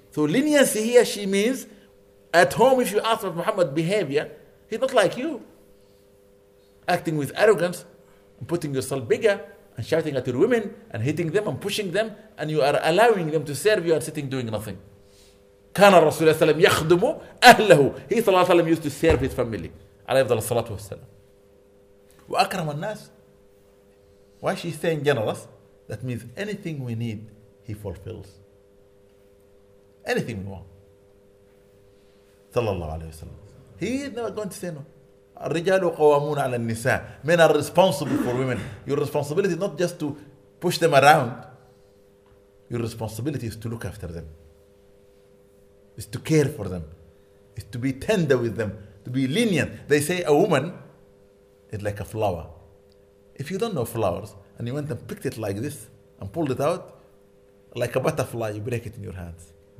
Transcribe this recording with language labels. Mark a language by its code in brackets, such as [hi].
[en] So leniency here, she means at home, if you ask of Muhammad behavior, he's not like you. Acting with arrogance and putting yourself bigger and shouting at your women and hitting them and pushing them, and you are allowing them to serve you and sitting doing nothing. [ar] كان الرسول صلى الله عليه وسلم يخدم أهله. [en] He صلى الله عليه وسلم used to serve his family. عليه الصلاة والسلام. وأكرم الناس. Why she's saying generous? That means anything we need, he fulfills. Anything we want. صلى الله عليه وسلم. He is never going to say no. [ar] الرجال قوامون على النساء. [en] Men are responsible for women. Your responsibility is not just to push them around. Your responsibility is to look after them. Is to care for them. Is to be tender with them. To be lenient. They say a woman is like a flower. If you don't know flowers, and you went and picked it like this, and pulled it out, like a butterfly, you break it in your hands.